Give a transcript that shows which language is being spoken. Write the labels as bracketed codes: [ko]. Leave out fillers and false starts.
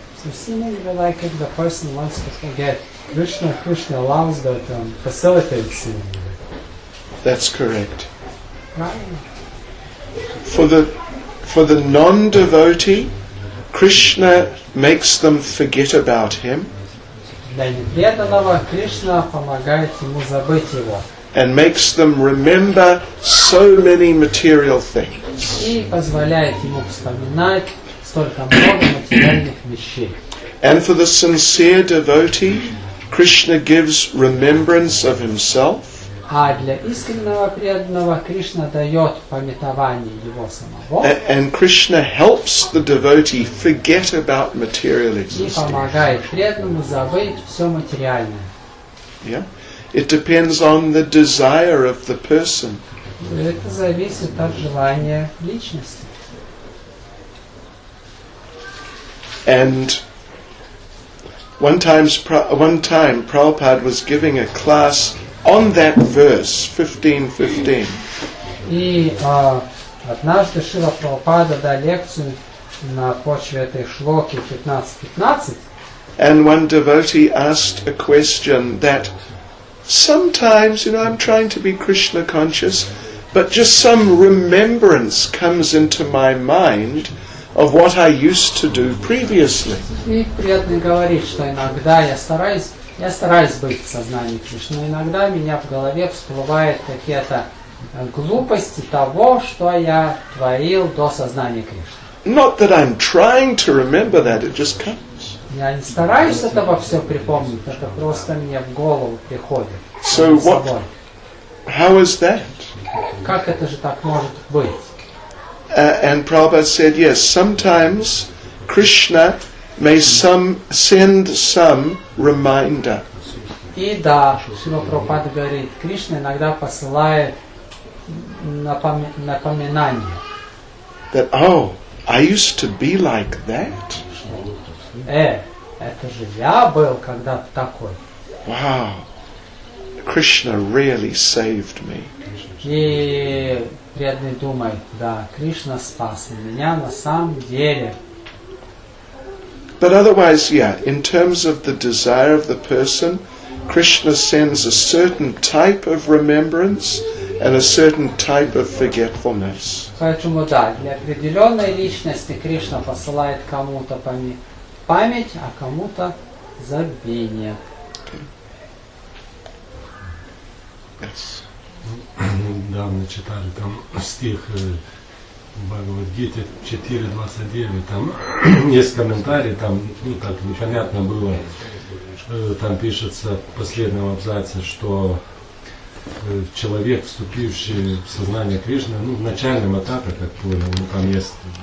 [en] So seemingly like if the person wants to forget, Krishna allows that and facilitates him. That's correct. Right. For the non-devotee, Krishna makes them forget about him. [ru] Для непреданного Кришна помогает ему забыть его. [en] And makes them remember so many material things. [ru] И позволяет ему вспоминать столько много материальных вещей. [en] And for the sincere devotee, Krishna gives remembrance of himself. [ru] А для искреннего преданного Кришна дает памятование его самого. [en] And Krishna helps the devotee forget about material existence. [ru] И помогает преданному забыть все материальное. [en] Yeah. It depends on the desire of the person. [ru] Это зависит от желания личности. [en] And one time Prabhupada was giving a class on that verse, 15:15. [ru] И однажды Шрила Прабхупада дал лекцию на почве этой шлоки 15:15. [en] And one devotee asked a question that sometimes, you know, I'm trying to be Krishna conscious, but just some remembrance comes into my mind of what I used to do previously. [ru] И преданный говорит, что иногда я стараюсь быть в сознании Кришны, иногда меня в голове всплывают какие-то глупости того, что я творил до сознания Кришны. [en] Not that I'm trying to remember that, it just comes. [ru] Я не стараюсь этого все припомнить, это просто мне в голову приходит. [en] So what? How is that? [ru] Как это же так может быть? [en] And Prabhupada said, yes, sometimes Krishna may send some reminder. [ru] И да, Шрила Прабхупада говорит, Кришна иногда посылает напоминание. [en] That, oh, I used to be like that? [ru] Это же я был когда-то такой. [en] Wow. Krishna really saved me. [ru] И преданный думает, да, Кришна спас меня на самом деле. [en] But otherwise, yeah, in terms of the desire of the person, Krishna sends a certain type of remembrance and a certain type of forgetfulness. [ru] Поэтому да, для определенной личности Кришна посылает кому-то память, а кому-то забвение. [en] Okay. Yes. [ru] Мы недавно читали там стих Бхагавад-гиты 4.29, там есть комментарий, там, ну, так непонятно было, там пишется в последнем абзаце, что человек, вступивший в сознание Кришны, ну, в начальном этапе, как понял, ну, там есть,